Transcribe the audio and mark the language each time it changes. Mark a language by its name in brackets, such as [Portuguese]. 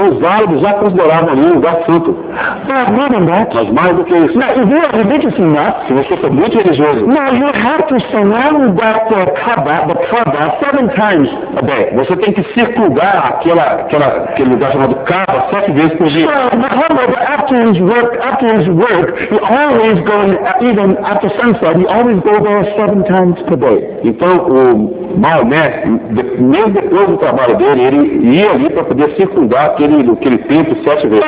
[Portuguese] os árabes já consideravam ali um lugar santo. Mas mais do que isso. [English] Now, if you're religious enough, [Portuguese] se você for muito religioso. [English] Now you have to surround that Kaaba, the Kaaba, seven times a day. [Portuguese] Você tem que circular aquele lugar chamado Kaaba sete vezes por dia. [English] So, Muhammad, after his work, he always goes, even after sunset, he always goes there seven times per day. [Portuguese] Então o Maomé, mesmo depois do trabalho dele, ele ia ali para poder circundar aquele templo sete vezes.